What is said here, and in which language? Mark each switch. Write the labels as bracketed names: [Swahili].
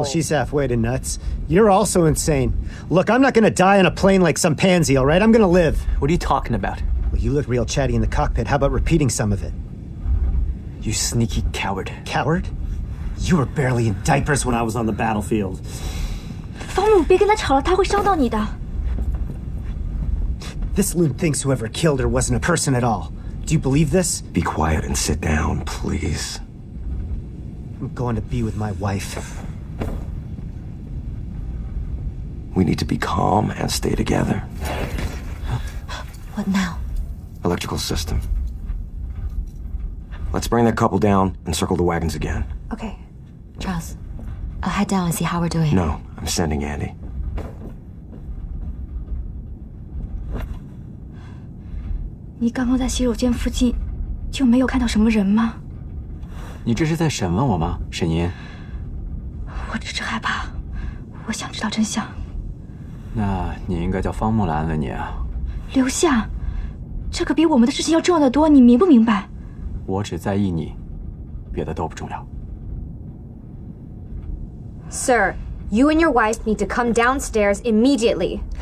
[English] Well, she's halfway to nuts. You're also insane. Look, I'm not gonna die on a plane like some pansy, all right? I'm gonna live. What are you talking about? Well, you look real chatty in the cockpit. How about repeating some of it? You sneaky coward. Coward? You were barely in diapers when I was on the battlefield. [Chinese] 方母，别跟他吵了，他会伤到你的。 [English] This loon thinks whoever killed her wasn't a person at all. Do you believe this? Be quiet and sit down, please. I'm going to be with my wife. We need to be calm and stay together. What now? Electrical system. Let's bring that couple down and circle the wagons again. Okay. Charles, I'll head down and see how we're doing. No, I'm sending Andy. [Chinese] 你刚刚在洗手间附近就没有看到什么人吗？你这是在审问我吗，沈音？我只是害怕，我想知道真相。那你应该叫方木兰安慰你啊。留下，这可比我们的事情要重要得多，你明不明白？我只在意你，别的都不重要。 [English] Sir, you and your wife need to come downstairs immediately.